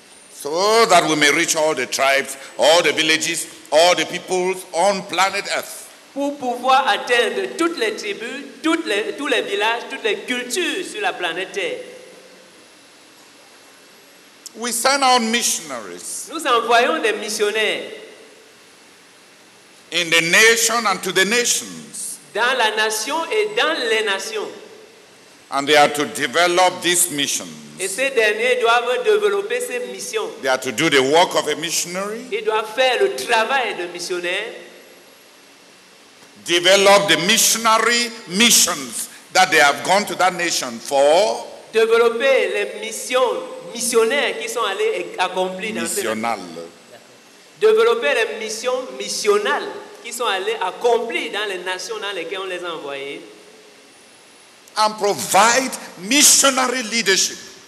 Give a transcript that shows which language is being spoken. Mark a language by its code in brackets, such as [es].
[en] So that we may reach all the tribes, all the villages, all the peoples on planet Earth. [fr] Pour pouvoir atteindre toutes les tribus, tous les villages, toutes les cultures sur la planète Terre. [en] We send out missionaries. [fr] Nous envoyons des missionnaires. [en] In the nation and to the nations. [fr] Dans la nation et dans les nations. [en] And they are to develop this mission. [fr] Et ces derniers doivent développer ces missions. [en] They are to do the work of a missionary. [fr] Ils doivent faire le travail de missionnaire. [en] Develop the missionary missions that they have gone to that nation for. [fr] Développer les missions missionnaires qui sont allés accomplir dans ces nations. Développer les missions missionnales qui sont allées accomplir dans les nations dans lesquelles on les a envoyées. [en] And provide missionary leadership.